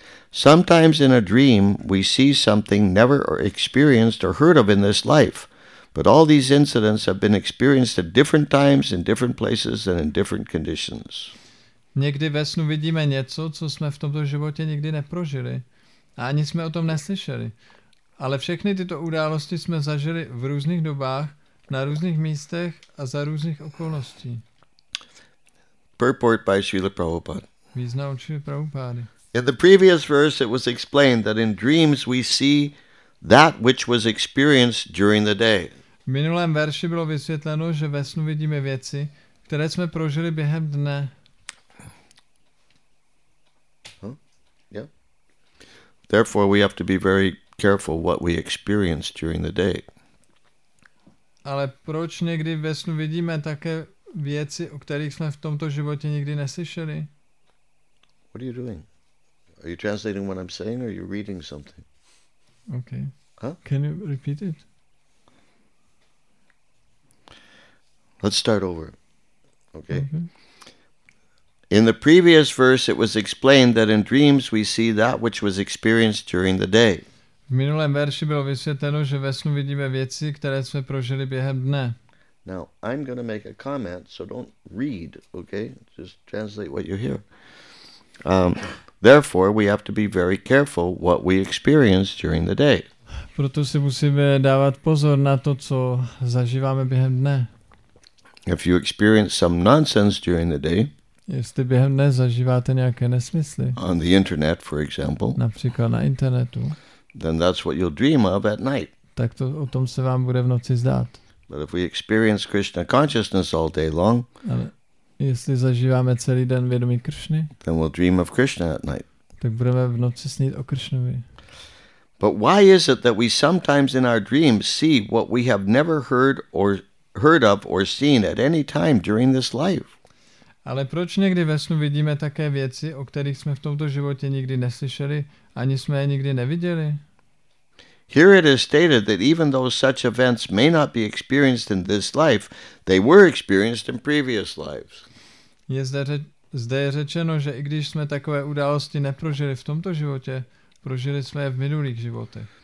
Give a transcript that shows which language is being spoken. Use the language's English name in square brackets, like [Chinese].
[English] Sometimes in a dream we see something never or experienced or heard of in this life, but all these incidents have been experienced at different times in different places and in different conditions. [Czech] Někdy ve snu vidíme něco, co jsme v tomto životě nikdy neprožili a ani jsme o tom neslyšeli. Ale všechny tyto události jsme zažili v různých dobách, na různých místech a za různých okolností. [English] Purport by Srila Prabhupada. [Czech] Význam Srila Prabhupády. [English] In the previous verse it was explained that in dreams we see that which was experienced during the day. [Czech] V minulém verši bylo vysvětleno, že ve snu vidíme věci, které jsme prožili během dne. [English] Therefore we have to be very careful what we experience during the day. [Czech] Ale proč někdy ve snu vidíme také věci, o kterých jsme v tomto životě nikdy neslyšeli? [English] What are you doing? Are you translating what I'm saying or are you reading something? Okay. Huh? Can you repeat it? Let's start over. Okay. In the previous verse it was explained that in dreams we see that which was experienced during the day. [Czech] V minulém verši bylo vysvětleno, že ve snu vidíme věci, které jsme prožili během dne. [English] Now, I'm going to make a comment, so don't read, okay? Just translate what you hear. Therefore, we have to be very careful what we experience during the day. [Czech] Proto si musíme dávat pozor na to, co zažíváme během dne. [English] If you experience some nonsense during the day, [Czech] jestli během dne zažíváte nějaké nesmysly, [English] on the internet, for example, [Czech] například na internetu, [English] then that's what you'll dream of at night. [Czech] Tak to o tom se vám bude v noci zdát. [English] But if we experience Krishna consciousness all day long, [Czech] ale jestli zažíváme celý den vědomí Kršny, [English] then we'll dream of Krishna at night. [Czech] Tak budeme v noci snít o Kršnovi. [English] But why is it that we sometimes in our dreams see what we have never heard of or seen at any time during this life? [Czech] Ale proč někdy ve snu vidíme také věci, o kterých jsme v tomto životě nikdy neslyšeli, ani jsme je nikdy neviděli? [English] Here it is stated that even though such events may not be experienced in this life, they were experienced in previous lives. [Czech] Je zde řečeno, že i když jsme takové události neprožili v tomto životě, prožili jsme je v minulých životech.